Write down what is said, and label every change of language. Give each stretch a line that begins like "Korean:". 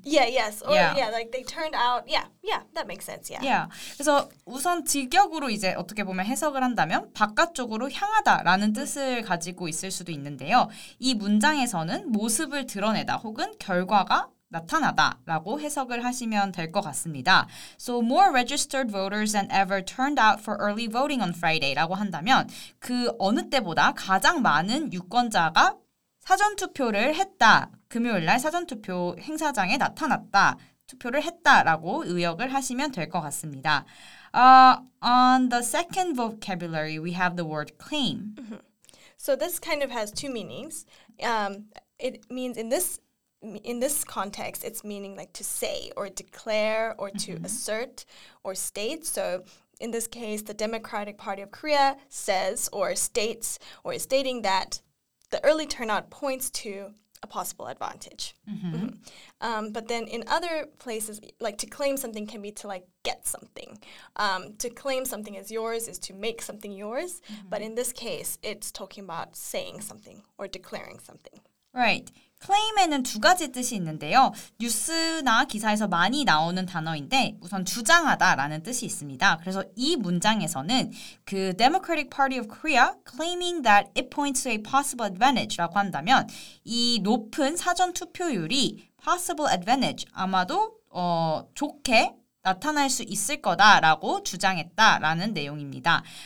English: Yeah, yes. Or yeah, like they turned out. Yeah, yeah, that makes sense. Yeah. Yeah.
Korean: 그래서 우선 직역으로 이제 어떻게 보면 해석을 한다면 바깥쪽으로 향하다라는 뜻을 가지고 있을 수도 있는데요. 이 문장에서는 모습을 드러내다 혹은 결과가 나타나다라고 해석을 하시면 될 것 같습니다.
English: So more registered voters than ever turned out for early voting on Friday라고 한다면
Korean: 그 어느 때보다 가장 많은 유권자가 사전 투표를 했다. 금요일날 사전 투표 행사장에 나타났다. 투표를 했다라고 의역을 하시면 될 것 같습니다.
English: On the second vocabulary, we have the word claim. So this kind of has two meanings. It means in this context, it's meaning like to say or declare or to assert or state. So in this case, the Democratic Party of Korea says or states or is stating that the early turnout points to a possible advantage. But then in other places, like to claim something can be to like get something. To claim something as yours is to make something yours. Mm-hmm. But in this case, it's talking about saying something or declaring something.
Korean: Right. Claim에는 두 가지 뜻이 있는데요. 뉴스나 기사에서 많이 나오는 단어인데 우선 주장하다라는 뜻이 있습니다. 그래서 이 문장에서는 그
English: Democratic Party of Korea claiming that it points to a possible advantage
Korean: 라고 한다면 이 높은 사전 투표율이 possible advantage 아마도 좋게 나타날 수 있을 거다라고 주장했다라는 내용입니다.